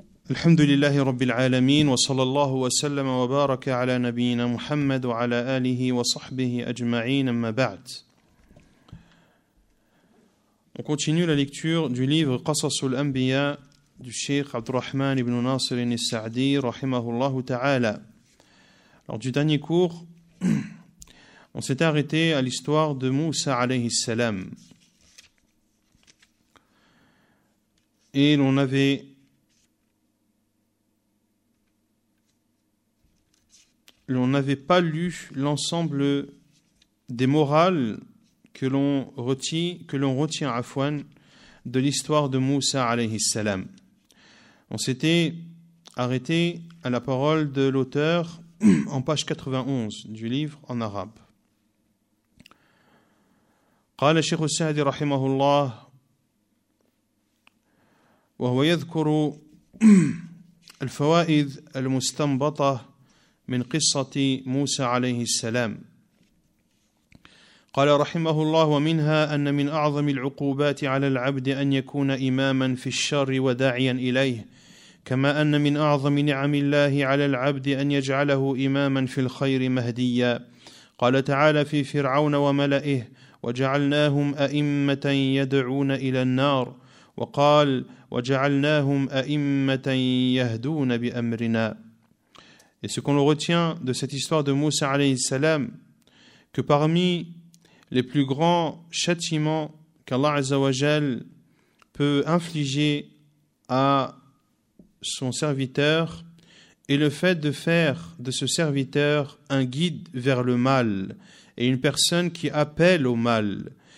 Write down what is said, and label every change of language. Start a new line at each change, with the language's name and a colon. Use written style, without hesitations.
Arabic: الحمد لله رب العالمين وصلى الله وسلم وبارك على نبينا محمد وعلى آله وصحبه أجمعين أما بعد.
French: On continue la lecture du livre قصص الأنبياء du Cheikh عبد الرحمن بن ناصر السعدي
Arabic: رحمه الله تعالى.
French: Lors du dernier cours, on s'est arrêté à l'histoire de Moussa عليه السلام. Et l'on avait pas lu l'ensemble des morales que l'on retient afwan de l'histoire de Moussa alayhi salam. On s'était arrêté à la parole de l'auteur en page 91 du livre en arabe.
Arabic: قال الشيخ السعدي رحمه الله وهو يذكر الفوائد المستنبطة من قصة موسى عليه السلام. قال رحمه الله ومنها أن من أعظم العقوبات على العبد أن يكون إماما في الشر وداعيا إليه، كما أن من أعظم نعم الله على العبد أن يجعله إماما في الخير مهديا. قال تعالى في فرعون وملئه وجعلناهم أئمة يدعون إلى النار، وقال وجعلناهم أئمة يهدون بأمرنا.
French: Et ce qu'on retient de cette histoire de Moussa alayhi salam, que parmi les plus grands châtiments qu'Allah azawajal peut infliger à son serviteur est le fait de faire de ce serviteur un guide vers le mal et une personne qui appelle au mal.